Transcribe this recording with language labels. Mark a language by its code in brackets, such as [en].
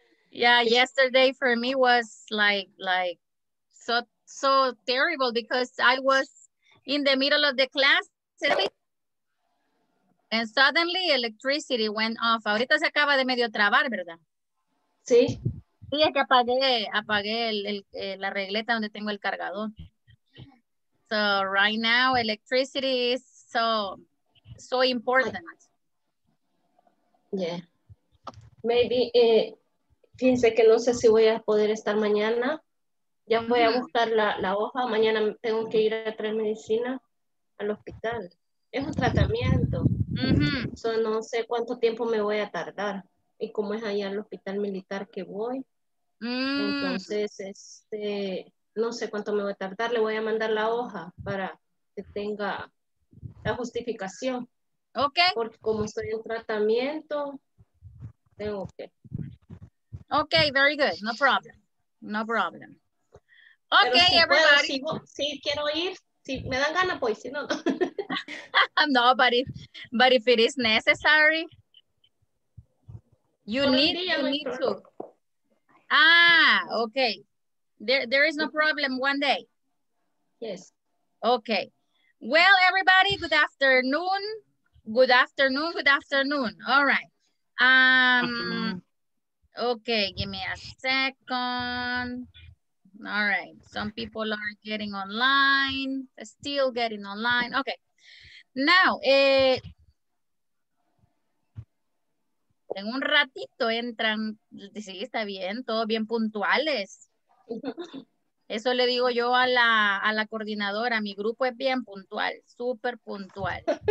[en] Yeah, yesterday for me was like so terrible because I was in the middle of the class and suddenly electricity went off. [es] Ahorita se acaba de medio trabar, ¿verdad? Sí. Sí, es que apagué la regleta donde tengo el cargador. [en] So right now electricity is so important. Yeah, maybe [es] fíjense que no sé si voy a poder estar mañana. Ya voy a buscar la hoja. Mañana tengo que ir a traer medicina al hospital. Es un tratamiento. So no sé cuánto tiempo me voy a tardar y como es allá al hospital militar que voy. Entonces no sé cuánto me voy a tardar. Le voy a mandar la hoja para que tenga la justificación. [en] Ok. [es] Porque como estoy en tratamiento, tengo que. [en] Ok, very good. No problem. No problem. Ok, [es] si [en] everybody. [es] Puedo, si quiero ir, si me dan ganas, pues, si no. [en] No, but if it is necessary, you need to. Ah, ok. There is no problem one day. Yes. Ok. Well, everybody, good afternoon. Good afternoon, good afternoon. All right. Okay, give me a second. All right. Some people are getting online, still getting online. Okay. [es] Now, en un ratito entran, sí, está bien, todo bien puntuales. Eso le digo yo a la coordinadora. Mi grupo es bien puntual, súper puntual.